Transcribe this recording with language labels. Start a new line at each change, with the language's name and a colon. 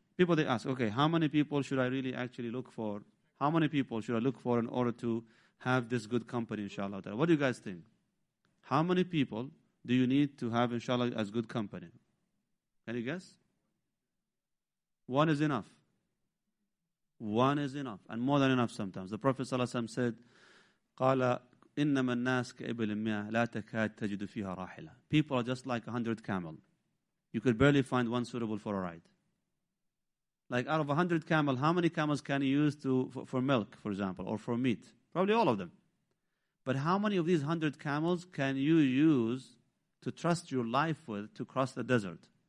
English: People, they ask, okay, how many people should I really actually look for? How many people should I look for in order to have this good company, inshallah, ta'ala? What do you guys think? How many people do you need to have, inshallah, as good company? Can you guess? One is enough. One is enough, and more than enough sometimes.
Arabic: The Prophet, sallallahu alayhi wa sallam, said, قَالَ إِنَّمَا النَّاسِ كَإِبْلِ مِّيَا لَا تَكَاد تَجِدُ فِيهَا رَاحِلًا.
English: People are just like 100 camels. You could barely find one suitable for a ride. Like out of 100 camels, how many camels can you use for milk, for example, or for meat? Probably all of them. But how many of these 100 camels can you use to trust your life with to cross the desert?